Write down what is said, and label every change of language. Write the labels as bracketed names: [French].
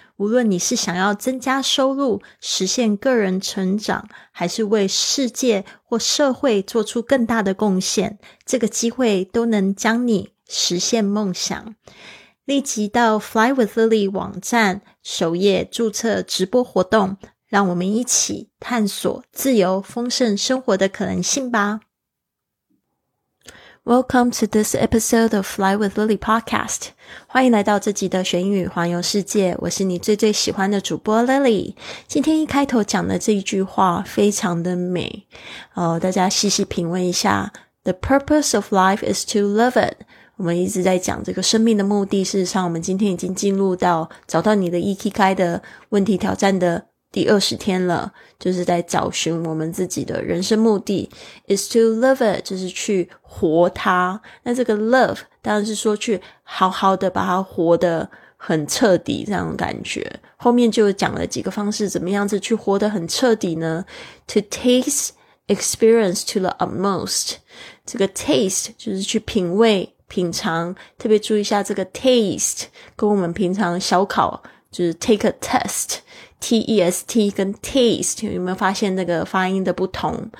[Chinese] 无论你是想要增加收入，实现个人成长，还是为世界或社会做出更大的贡献，这个机会都能将你实现梦想。立即到 Fly with Lily 网站首页注册直播活动，让我们一起探索自由丰盛生活的可能性吧。 [English] Welcome to this episode of Fly with Lily podcast. [Chinese] 欢迎来到这集的学英语环游世界，我是你最最喜欢的主播 Lily。今天一开头讲的这一句话非常的美，大家细细品味一下。 [English] The purpose of life is to live it. [Chinese] 我们一直在讲这个生命的目的，事实上我们今天已经进入到找到你的 Ikigai 的问题挑战的第二十天了，就是在找寻我们自己的人生目的。 [English] is to live it， [Chinese] 就是去活它。那这个 love 当然是说去好好的把它活得很彻底，这样的感觉。后面就讲了几个方式，怎么样子去活得很彻底呢？ [English] to taste experience to the utmost， [Chinese] 这个 taste 就是去品味品尝，特别注意一下这个 taste 跟我们平常小考就是 [English] take a test [Chinese] T-E-S-T 跟 taste， 有没有发现那个发音的不同？